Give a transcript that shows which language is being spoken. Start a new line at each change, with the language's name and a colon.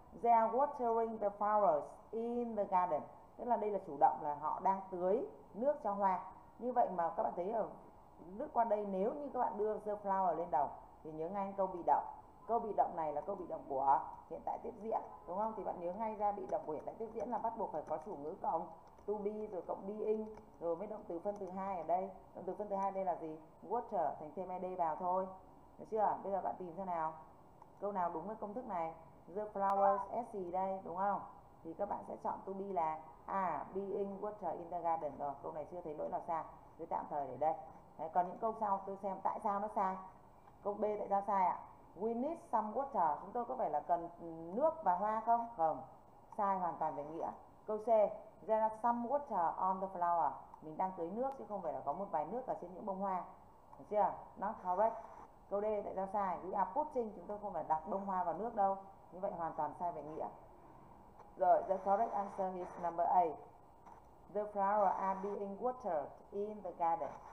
English: They are watering the flowers in the garden.
Vietnamese: Tức là đây là chủ động là họ đang tưới nước cho hoa. Như vậy mà các bạn thấy ở nước qua đây nếu như các bạn đưa the flower lên đầu thì nhớ ngay câu bị động. Câu bị động này là câu bị động của hiện tại tiếp diễn, đúng không? Thì bạn nhớ ngay ra bị động của hiện tại tiếp diễn là bắt buộc phải có chủ ngữ cộng to be rồi cộng being rồi mới động từ phân từ hai ở đây. Động từ phân từ hai đây là gì? Water, thành thêm ed vào thôi. Được chưa? Bây giờ bạn tìm xem nào. Câu nào đúng với công thức này? The flowers as gì đây, đúng không? Thì các bạn sẽ chọn to be là
English: being water in the garden
Vietnamese: rồi. Câu này chưa thấy lỗi nào sai. Tôi tạm thời để đây. Đấy, còn những câu sau tôi xem tại sao nó sai. Câu B tại sao sai ạ?
English: We need some water.
Vietnamese: Chúng tôi có phải là cần nước và hoa không? Không. Sai hoàn toàn về nghĩa.
English: Câu C, there are some water on the flower.
Vietnamese: Mình đang tưới nước chứ không phải là có một vài nước ở trên những bông hoa. Được chưa?
English: Not correct.
Vietnamese: Câu D tại sao sai?
English: We are putting,
Vietnamese: chúng tôi không phải đặt bông hoa vào nước đâu. Như vậy hoàn toàn sai về nghĩa.
English: Rồi, the correct answer is number A. The flowers are being watered in the garden.